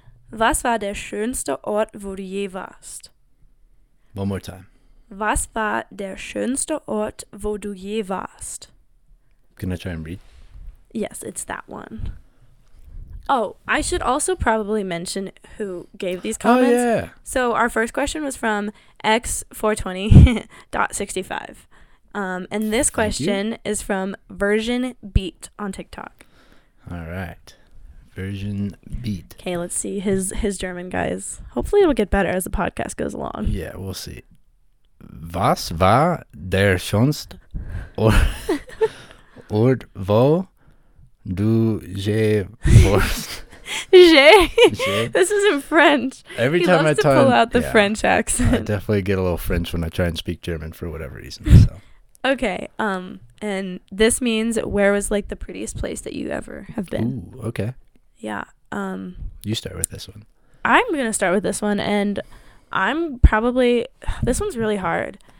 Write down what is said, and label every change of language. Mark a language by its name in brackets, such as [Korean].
[German] Was war der schönste Ort, wo du je warst? [English] One more time. [German] Was war der schönste Ort, wo du je warst? [English] Can I try and read? Yes, it's that one. Oh, I should also probably mention who gave these comments. Oh, yeah. So our first question was from x420.65. And this question is from Version Beat on TikTok. All right. Version Beat. Okay, let's see his German, guys. Hopefully it'll get better as the podcast goes along. Yeah, we'll see. [German] Was war der schönste Ort, wo du je warst? [English] Je? This isn't French. Every he time loves I try to pull out the French accent. I definitely get a little French when I try and speak German for whatever reason. So. Okay. And this means where was like the prettiest place that you ever have been? Ooh, okay. Yeah. You start with this one. I'm going to start with this one and I'm probably, this one's really hard.